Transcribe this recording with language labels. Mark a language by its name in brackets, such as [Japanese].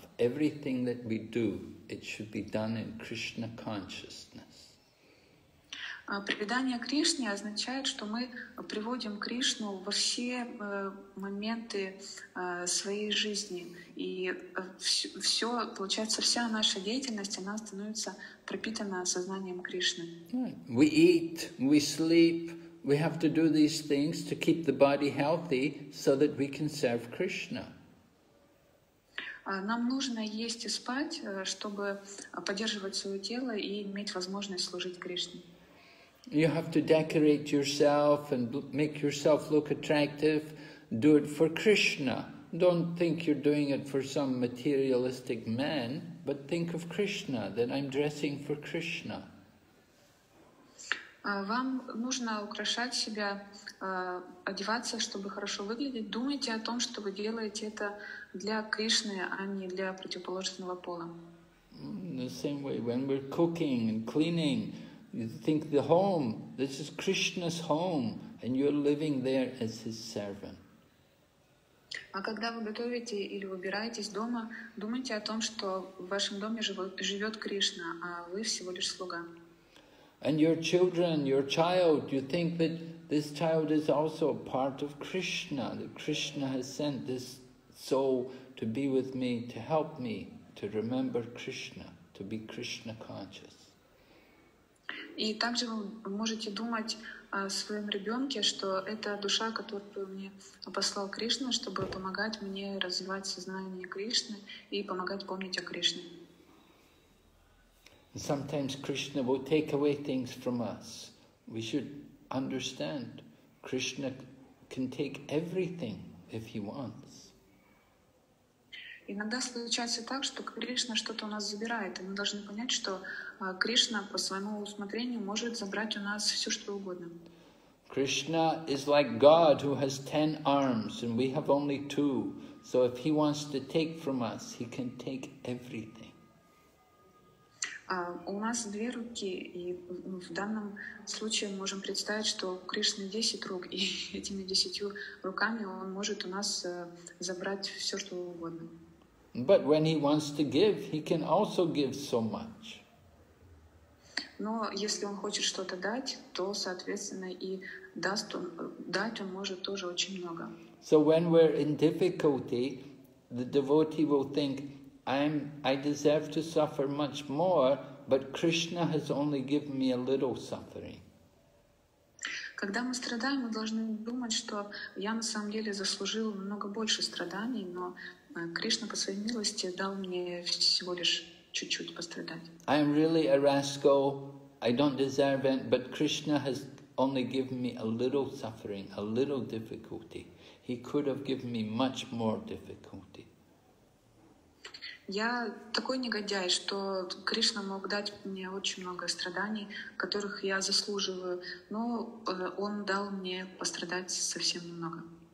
[English] Everything that we do, it should be done in Krishna consciousness. [Russian] Предание Кришне означает, что мы приводим Кришну во все моменты своей жизни. И все, получается, вся наша деятельность, она становится пропитана сознанием Кришны. [English] We eat, we sleep. We have to do these things to keep the body healthy so that we can serve Krishna. [Russian] Нам нужно есть и спать, чтобы поддерживать свое тело и иметь возможность служить Кришне. [English] You have to decorate yourself and make yourself look attractive. Do it for Krishna. Don't think you're doing it for some materialistic man, but think of Krishna, that I'm dressing for Krishna. [Russian] Вам нужно украшать себя, одеваться, чтобы хорошо выглядеть. Думайте о том, что вы делаете это для Кришны, а не для противоположного пола. [English] The same way, when we're cooking and cleaning, you think the home, this is Krishna's home, and you're living there as his servant. [Russian] А когда вы готовите или убираетесь дома, думайте о том, что в вашем доме живет Кришна, а вы всего лишь слуга. [English] And your children, your child, you think that this child is also a part of Krishna, that Krishna has sent this soul to be with me, to help me, to remember Krishna, to be Krishna conscious. [Russian] И также вы можете думать о своем ребенке, что это душа, которую мне послал Кришна, чтобы помогать мне развивать сознание Кришны и помогать помнить о Кришне. [English] Sometimes Krishna will take away things from us. We should understand Krishna can take everything if he wants. [Russian] Иногда случается так, что Кришна что-то у нас забирает, и мы должны понять, что Кришна по своему усмотрению может забрать у нас все, что угодно. [English] Krishna is like God who has 10 arms and we have only 2. So if he wants to take from us, he can take everything. [Russian] У нас две руки, и в данном случае мы можем представить, что у Кришны 10 рук, и этими 10 руками он может у нас забрать все, что угодно. [English] But when he wants to give, he can also give so much. [Russian] Но если он хочет что-то дать, то, соответственно, и даст он, дать он может тоже очень много. [English] So when we're in difficulty, the devotee will think, I deserve to suffer much more, but Krishna has only given me a little suffering. [Russian] Когда мы страдаем, мы должны думать, что я на самом деле заслужил намного больше страданий, но Кришна по своей милости дал мне всего лишь чуть-чуть пострадать. [English] I am really a rascal. I don't deserve it, but Krishna has only given me a little suffering, a little difficulty. He could have given me much more difficulty. [Russian] Я такой негодяй, что Кришна мог дать мне очень много страданий, которых я заслуживаю, но он дал мне пострадать совсем немного.